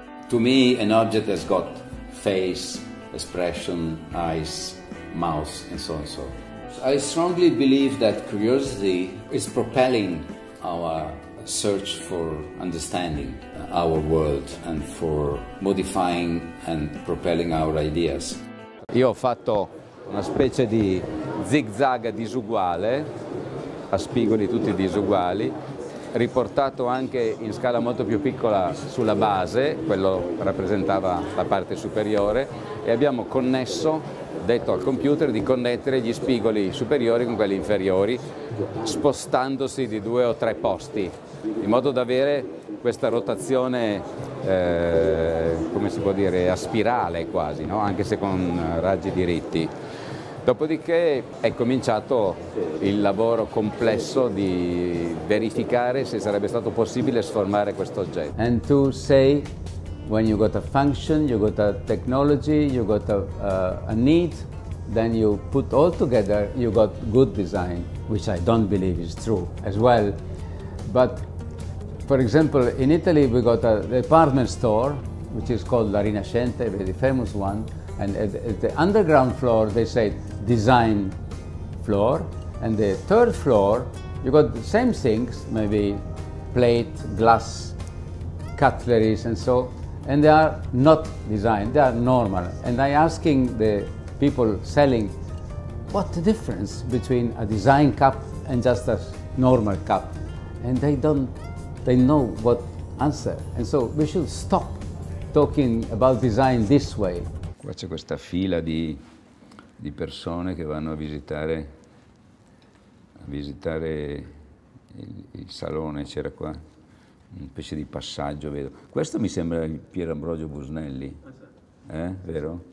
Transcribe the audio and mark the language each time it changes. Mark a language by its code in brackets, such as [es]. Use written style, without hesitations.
[en] To me, an object has got face, expression, eyes, mouth, and so on. So I strongly believe that curiosity is propelling our search for understanding our world and for modifying and propelling our ideas. [it] Io ho fatto una specie di zigzag disuguale, a spigoli tutti disuguali, riportato anche in scala molto più piccola sulla base, quello rappresentava la parte superiore, e abbiamo connesso detto al computer di connettere gli spigoli superiori con quelli inferiori, spostandosi di due o tre posti, in modo da avere questa rotazione, come si può dire, a spirale quasi, no? Anche se con raggi diritti. Dopodiché è cominciato il lavoro complesso di verificare se sarebbe stato possibile sformare questo oggetto. [en] And to say when you got a function, you got a technology, you got a need, then you put all together, you got good design, which I don't believe is true as well. But for example, in Italy we got a department store which is called La Rinascente, a very famous one, and at the underground floor they say design floor, and the third floor you got the same things, maybe plate, glass, cutleries and so, and they are not design, they are normal. And I asking the people selling, what the difference between a design cup and just a normal cup? And they know what answer. And so we should stop talking about design this way. [it] Qua c'è questa fila di persone che vanno a visitare il salone, c'era qua un specie di passaggio, vedo. Questo mi sembra il Pier Ambrogio Busnelli, vero?